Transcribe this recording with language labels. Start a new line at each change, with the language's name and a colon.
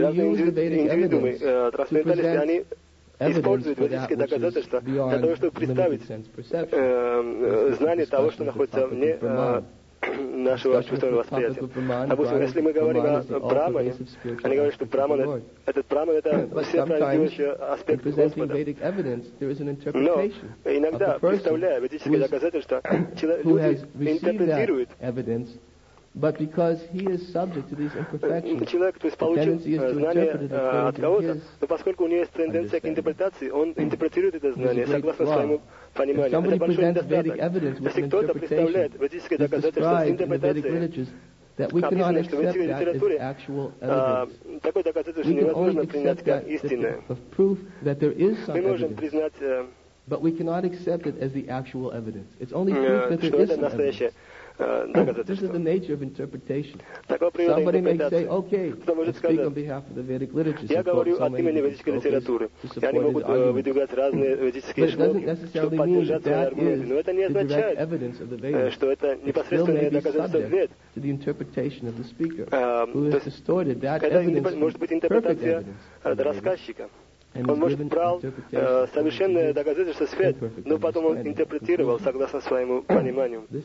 Russian: Разные индивидуумы, трансценденталисты, они используют ведические доказательства для того, чтобы представить знание того, что находится вне нашего чувственного восприятия. Допустим, если мы говорим о Брахмане, они говорят, что Брахман — этот Брахман — это всепроникающий аспект Господа. Но иногда, представляя ведические доказательства, люди интерпретируют.
English: But because he is subject to these imperfections,
Russian: человек, то есть получил знание от кого-то, но поскольку у него есть тенденция к интерпретации, он интерпретирует это знание согласно своему пониманию. Это большой недостаток. Если кто-то представляет ведическое доказательство с интерпретацией, описано, что в ведической литературе такое доказательство невозможно принять как истинное. Мы можем признать,
English: but we cannot accept it as the actual evidence. It's only proof that there is some evidence. This is the nature of interpretation. Somebody may say, "Okay, speak on behalf of the Vedic literature."
Russian: Я говорю от имени ведической литературы. Я не могу выдвигать разные ведические шлоки, чтобы поддержать свои аргументы. Но это не означает, что это непосредственное доказательство вед.
English: To the interpretation of the speaker, who has distorted that evidence.
Russian: Это может быть интерпретация рассказчика. Он, может, брал совершенное доказательство свет, но потом он интерпретировал согласно своему пониманию.